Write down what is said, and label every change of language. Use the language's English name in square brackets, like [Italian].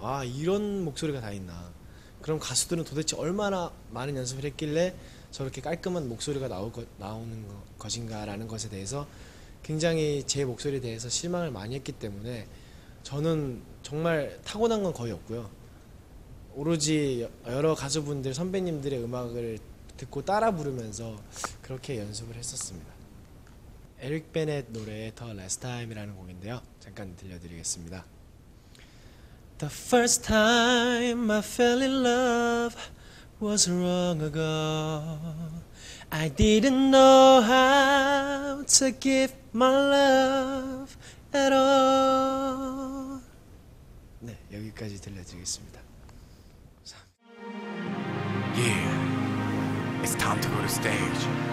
[Korean] 아, 이런 목소리가 다 있나. 그럼 가수들은 도대체 얼마나 많은 연습을 했길래 저렇게 깔끔한 목소리가 나오는 것인가 라는 것에 대해서 굉장히 제 목소리에 대해서 실망을 많이 했기 때문에 저는 정말 타고난 건 거의 없고요. 오로지 여러 가수분들, 선배님들의 음악을 듣고 따라 부르면서 그렇게 연습을 했었습니다. 에릭 베넷 노래의 The Last Time이라는 곡인데요. 잠깐 들려드리겠습니다. [English] The first time I fell in love was long ago. I didn't know how to give my love at all. [Korean] 네, 여기까지 들려드리겠습니다. [English] Yeah, it's time to go to stage.